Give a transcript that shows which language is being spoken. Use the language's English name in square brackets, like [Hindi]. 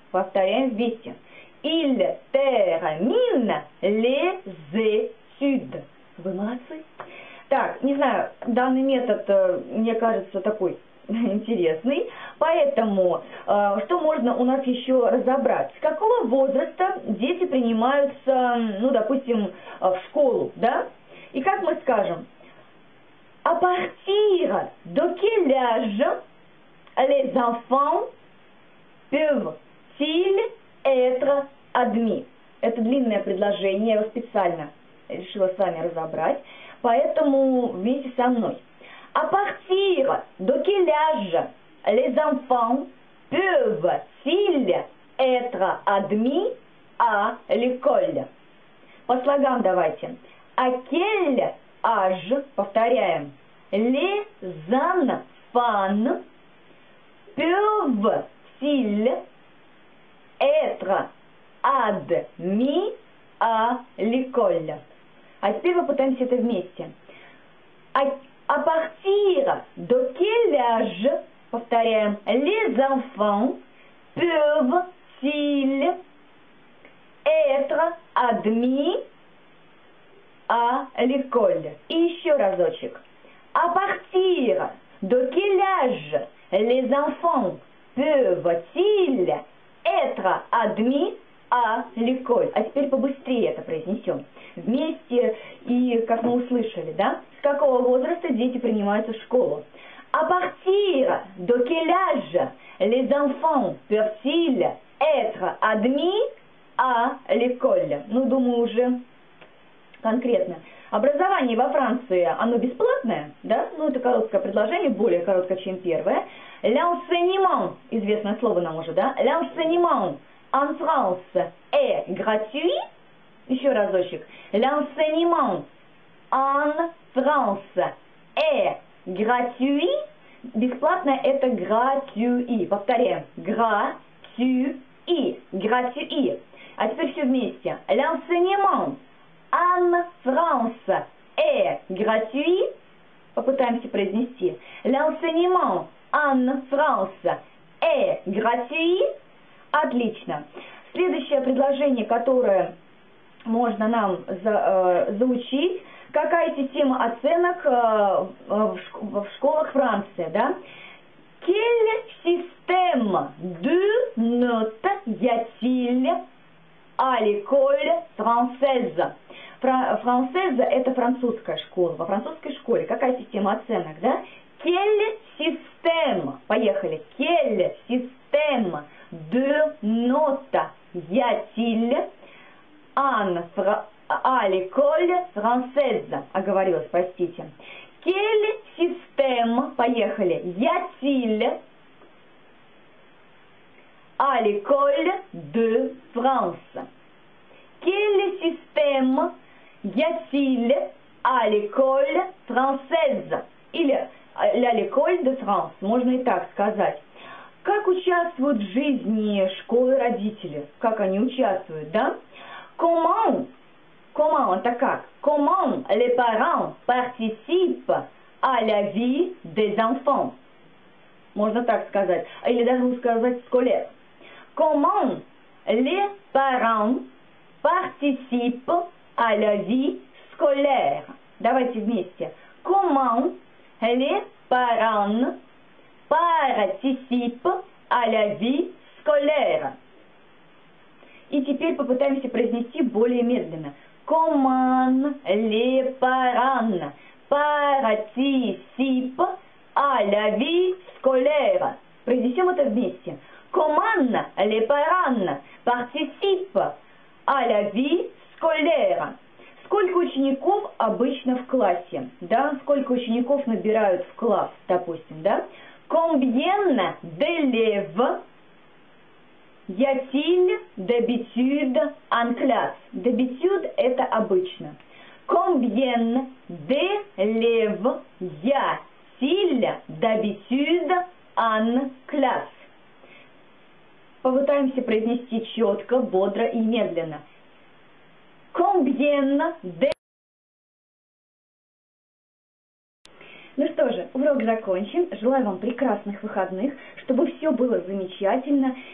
[Russian] Повторяем вместе. [French] Il termine les études. [Russian] Вы молодцы. Так, не знаю, данный метод, мне кажется, такой интересный. Поэтому, что можно у нас еще разобрать? С какого возраста дети принимаются, ну, допустим, в школу, да? И как мы скажем? [French] À partir de quel âge les enfants peuvent-ils être admis? [Russian] Это длинное предложение, я его специально решила с вами разобрать. Поэтому вместе со мной. [French] À partir de quel âge les enfants peuvent-ils être admis à l'école? [Russian] По слогам давайте. [French] À quel âge, [Russian] повторяем, [French] les enfants peuvent-ils être admis à l'école? [Russian] А теперь попытаемся это вместе. [French] À partir de quel âge, [Russian] повторяем, [French] les enfants peuvent-ils être admis à l'école? [Russian] И еще разочек. [French] À partir de quel âge les enfants peuvent-ils être admis à l'école? [Russian] А теперь побыстрее это произнесем. Вместе и как мы услышали, да? С какого возраста дети принимаются в школу? [French] À partir de quel âge les enfants peuvent-ils être admis à l'école? [Russian] Ну, думаю, уже конкретно. Образование во Франции, оно бесплатное, да? Ну, это короткое предложение, более короткое, чем первое. L'enseignement, известное слово нам уже, да? [French] L'enseignement en France est gratuit. [Russian] Еще разочек. [French] L'enseignement en France est gratuit. [Russian] Бесплатно это gratuit. Повторяем. Gratuit. Gratuit. А теперь все вместе. [French] L'enseignement en France est gratuit. [Russian] Попытаемся произнести. [French] L'enseignement en France est gratuit. [Russian] Отлично. Следующее предложение, которое можно нам заучить. Какая система оценок в школах Франции, да? [French] Quelle système de notes y a-t-il à l'école française? [Russian] Française – это французская школа. Во французской школе какая система оценок, да? [French] Quelle système? [Russian] Поехали. [French] Quelle système de notes y a-t-il à l'école française, [Russian] оговорилась, простите. [French] Quelle système, [Russian] поехали, [French] y a-t-il à l'école de France? Quelle système y a-t-il à l'école française? [Russian] Или [French] à l'école de France, [Russian] можно и так сказать. Как участвуют в жизни школы родители? Как они участвуют, да? [French] Comment les parents participent à la vie des enfants? [Russian] Можно так сказать. Или даже сказать scolaire. [French] Comment les parents participent à la vie scolaire. [Russian] Давайте вместе. [French] Comment les parents participent à la vie scolaire? [Russian] И теперь попытаемся произнести более медленно. [French] Comment les parents participent à la vie scolaire? [Russian] Произнесем это вместе. [French] Comment les parents participent à la vie scolaire? [Russian] Сколько учеников обычно в классе? Да, сколько учеников набирают в класс, допустим, да? [French] Combien d'élèves y a-t-il d'habitude en classe? [Russian] D'habitude – это обычно. [French] Combien d'élèves y a-t-il d'habitude en classe? [Russian] Попытаемся произнести четко, бодро и медленно. [French] Combien de... [Russian] Ну что же, урок закончен. Желаю вам прекрасных выходных, чтобы все было замечательно.